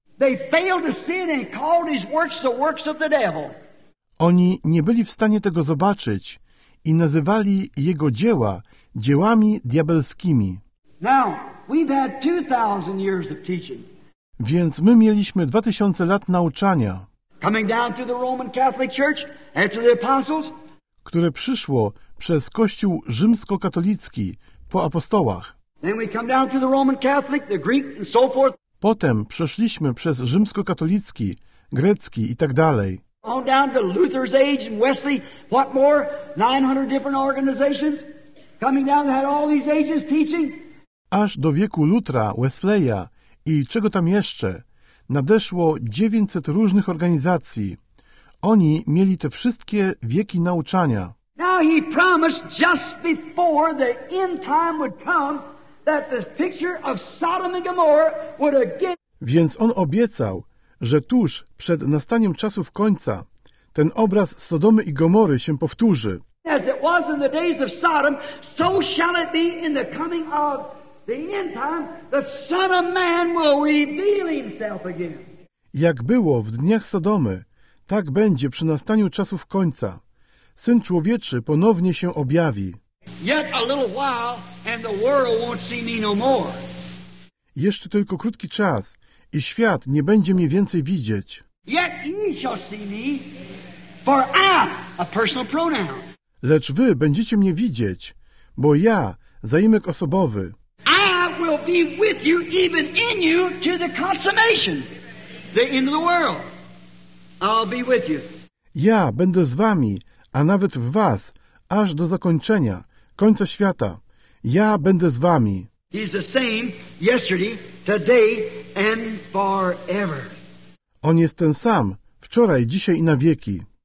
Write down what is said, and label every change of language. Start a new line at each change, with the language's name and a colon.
English: They failed to see and called his works the works of the devil.
Polish: Oni nie byli w stanie tego zobaczyć i nazywali jego dzieła dziełami diabelskimi.
English: Now, we've had 2,000 years of teaching.
Polish: Więc my mieliśmy 2,000 lat nauczania.
English: Coming down to the Roman Catholic Church after the apostles.
Polish: Które przyszło przez Kościół rzymskokatolicki po apostołach.
English: Then we come down to the Roman Catholic, the Greek and so forth.
Polish: Potem przeszliśmy przez rzymskokatolicki, grecki i tak dalej.
English: All down to Luther's age and Wesley, what more? 900 different organizations coming down that had all these ages teaching.
Polish: Aż do wieku Lutra, Wesleya i czego tam jeszcze, nadeszło 900 różnych organizacji. Oni mieli te wszystkie wieki nauczania.
English: Now he promised just before the end time would come, that the picture of Sodom and Gomorrah would again.
Polish: Więc on obiecał, że tuż przed nastaniem czasów końca ten obraz Sodomy i Gomory się powtórzy.
English: As it was in the days of Sodom, so shall it be in the coming of the end time, the Son of Man will reveal himself again.
Polish: Jak było w dniach Sodomy, tak będzie przy nastaniu czasów końca. Syn człowieczy ponownie się objawi.
English: Yet a little while and the world won't see me no more.
Polish: Jeszcze tylko krótki czas i świat nie będzie mnie więcej widzieć.
English: Yet you shall see me, for I, a personal pronoun.
Polish: Lecz wy będziecie mnie widzieć, bo ja, zaimek osobowy,
English: I will be with you, even in you, to the consummation, the end of the world. I'll be with you.
Polish: Ja będę z wami, a nawet w was, aż do zakończenia, końca świata. Ja będę z wami.
English: He's the same yesterday, today and forever.
Polish: On jest ten sam, wczoraj, dzisiaj i na wieki.